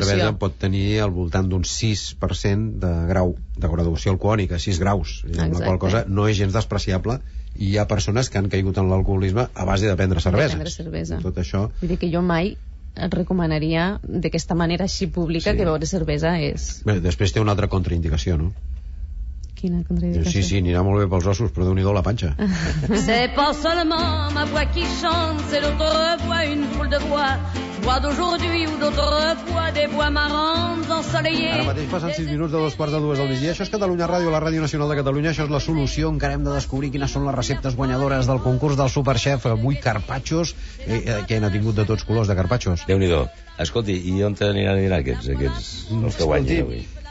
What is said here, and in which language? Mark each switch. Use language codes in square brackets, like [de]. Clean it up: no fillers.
[ca] Recordem que una cervesa pot tenir al voltant d'un 6% de grau de graduació alcohòlica, 6 graus, la qual cosa no és gens despreciable, i hi ha persones que han caigut en l'alcoholisme a base de prendre cervesa. Tot això... Vull dir que jo mai et recomanaria d'aquesta manera així pública, sí, que beure cervesa és... Bé, després té una altra contraindicació, no? Sí, anirà molt bé pels ossos, però déu-n'hi-do la panxa. [fr] C'est pas seulement ma voix qui chante, c'est d'autrefois une foule de voix, voix d'aujourd'hui ou d'autrefois des voix marrantes ensoleillées. [ca] Ara mateix passen 6 minuts de 2:45 del migdia. Això és Catalunya Ràdio, la Ràdio Nacional de Catalunya. Això és La Solució. Encara hem de descobrir quines són les receptes guanyadores del concurs del Superchef. Avui carpaccios, que n'ha tingut de tots colors, de carpaccios. Déu-n'hi-do. Escolti, i on aniran aquests els que guanyen avui?